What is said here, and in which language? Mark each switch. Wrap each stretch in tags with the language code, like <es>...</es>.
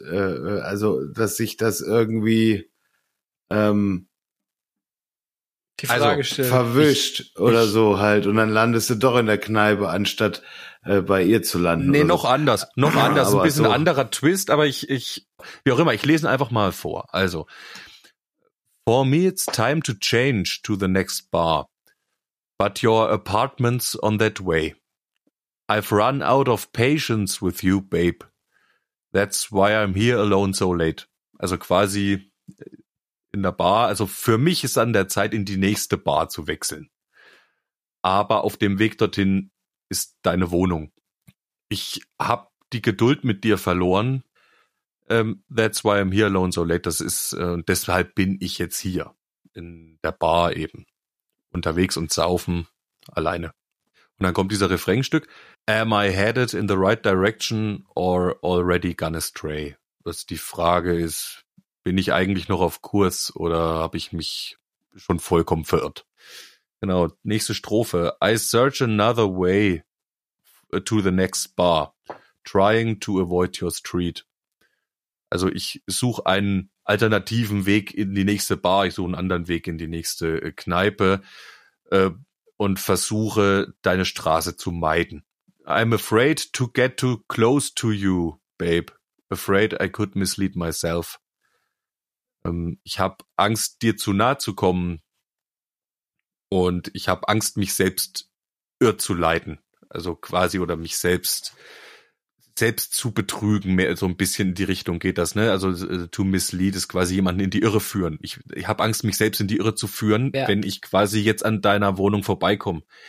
<de>Also, dass sich das irgendwie die Frage also verwischt oder so halt und dann landest du doch in der Kneipe, anstatt bei ihr zu landen. Nee, noch anders. Noch anders. Ein bisschen anderer Twist, aber ich, wie auch immer, ich lese einfach mal vor.</de> <en>Also, for me it's time to change to the next bar. But your apartment's on that way. I've run out of patience with you, babe. That's why I'm here alone so late.</en> <de>Also quasi in der Bar. Also für mich ist an der Zeit, in die nächste Bar zu wechseln. Aber auf dem Weg dorthin ist deine Wohnung. Ich habe die Geduld mit dir verloren.</de> <en>That's why I'm here alone so late.</en> <de>Das ist, deshalb bin ich jetzt hier in der Bar eben unterwegs und saufen alleine. Und dann kommt dieser Refrainstück.</de> <en>Am I headed in the right direction or already gone astray?</en> <de>Was die Frage ist, bin ich eigentlich noch auf Kurs oder habe ich mich schon vollkommen verirrt? Genau, nächste Strophe.</de> <en>I search another way to the next bar, trying to avoid your street.</en> <de>Also ich suche einen alternativen Weg in die nächste Bar, ich suche einen anderen Weg in die nächste Kneipe und versuche, deine Straße zu meiden.</de> <en>I'm afraid to get too close to you, babe. Afraid I could mislead myself.</en> <de>Ich habe Angst, dir zu nahe zu kommen. Und ich habe Angst, mich selbst irr zu leiten. Also quasi, oder mich selbst zu betrügen, mehr so ein bisschen in die Richtung geht das, ne? Also to mislead ist quasi jemanden in die Irre führen. Ich habe Angst, mich selbst in die Irre zu führen, ja, wenn ich quasi jetzt an deiner Wohnung vorbeikomme.</de>